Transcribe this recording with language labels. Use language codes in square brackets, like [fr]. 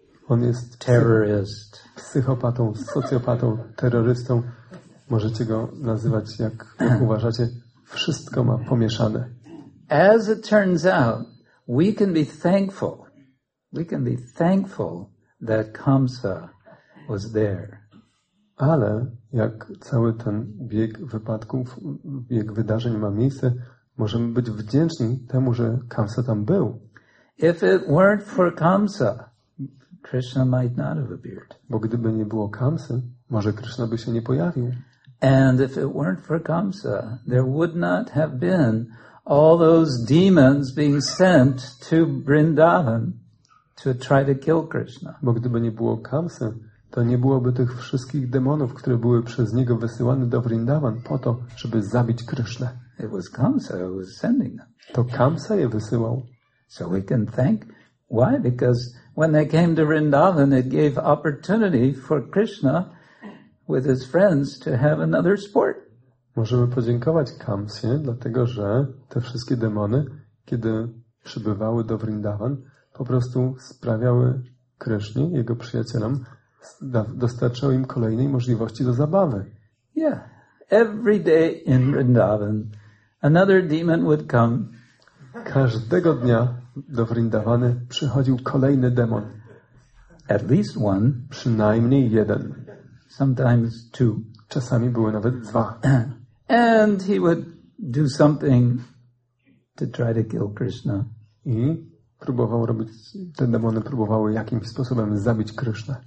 [pl] On jest [en] terrorist. [pl] Psychopatą, socjopatą, terrorystą. Możecie go nazywać jak uważacie. Wszystko ma pomieszane. [en] As it turns out, we can be thankful. We can be thankful that Kamsa was there. [pl] Ale jak cały ten bieg wypadków, bieg wydarzeń ma miejsce, możemy być wdzięczni temu, że Kamsa tam był. [en] If it weren't for Kamsa, Krishna might not have appeared. [pl] Bo gdyby nie było Kamsy, może Krishna by się nie pojawił. [en] And if it weren't for Kamsa, there would not have been all those demons being sent to Vrindavan to try to kill Krishna. [pl] Bo gdyby nie było Kamsy, to nie byłoby tych wszystkich demonów, które były przez niego wysyłane do Vrindavan po to, żeby zabić Krishna. [en] It was Kamsa who was sending them. [pl] To Kamsa je wysyłał. [en] So we can thank. Why? Because when they came to Vrindavan, it gave opportunity for Krishna with his friends to have another sport. [pl] Możemy podziękować Kamsie, dlatego że te wszystkie demony, kiedy przybywały do Vrindavan, po prostu sprawiały Krishnie, jego przyjacielom, dostarczały im kolejnej możliwości do zabawy. Yeah. [en] Every day in Vrindavan, another demon would come. [pl] Każdego dnia do Vrindavany przychodził kolejny demon. [en] At least one. [pl] Przynajmniej jeden. [en] Sometimes two. [pl] Czasami były nawet dwa. [en] And he would do something to try to kill Krishna. [pl] I próbował robić, te demony próbowały jakimś sposobem zabić Krishna.